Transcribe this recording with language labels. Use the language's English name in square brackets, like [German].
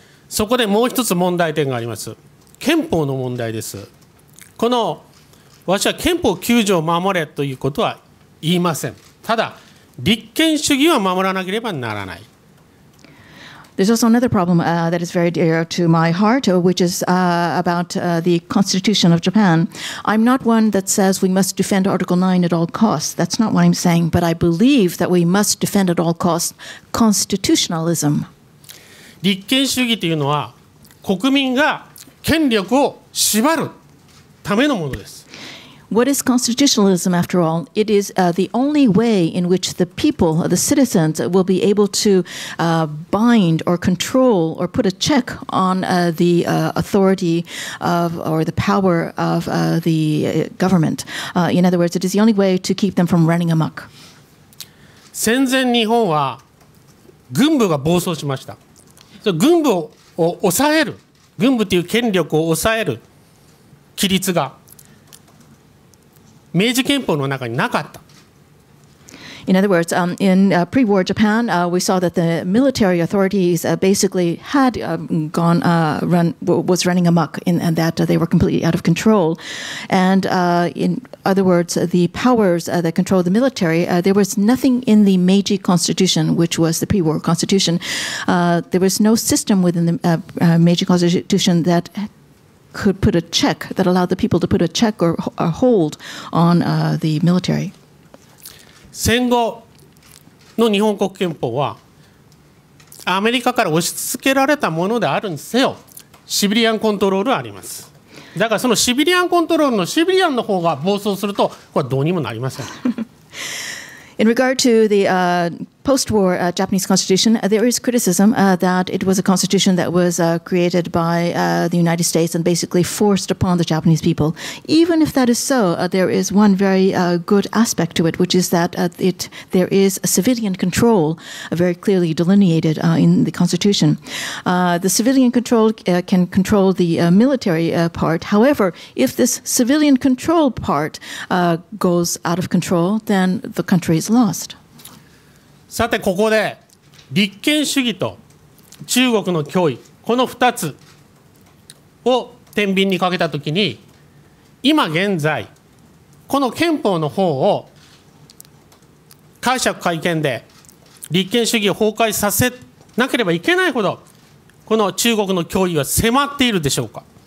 [Japanese] そこでもう一つ問題点があります。憲法の問題です。この、私は憲法9条を守れということは言いません。ただ、立憲主義は守らなければならない。 [English] There's also another problem that is very dear to my heart, which is about the Constitution of Japan. I'm not one that says we must defend Article 9 at all costs. That's not what I'm saying, but I believe that we must defend at all costs constitutionalism. [Japanese] 立憲主義というのは国民が権力を縛るためのものです。 [English] What is constitutionalism after all? It is the only way in which the people, the citizens, will be able to bind or control or put a check on the authority of or the power of the government. In other words, it is the only way to keep them from running amok. [Japanese] 戦前日本は軍部が暴走しました。軍部を抑える、軍部という権力を抑える規律が明治憲法の中になかった。 [English] In other words, in pre-war Japan, we saw that the military authorities basically had gone run was running amok, in, and that they were completely out of control. And in other words, the powers that controlled the military, there was nothing in the Meiji Constitution, which was the pre-war constitution. There was no system within the Meiji Constitution that could put a check, that allowed the people to put a check or a hold on the military. [Japanese] 戦後の日本国憲法はアメリカから押し付けられたものであるにせよシビリアンコントロールあります。だからそのシビリアンコントロールのシビリアンの方が暴走するとこれはどうにもなりません。 [English] In regard to the post-war Japanese constitution, there is criticism that it was a constitution that was created by the United States and basically forced upon the Japanese people. Even if that is so, there is one very good aspect to it, which is that there is a civilian control very clearly delineated in the constitution. The civilian control can control the military part. However, if this civilian control part goes out of control, then the country is lost. [Japanese] さてここで立憲主義と中国の脅威、この2つを天秤にかけたときに、今現在この憲法の方を解釈改憲で立憲主義を崩壊させなければいけないほどこの中国の脅威は迫っているでしょうか。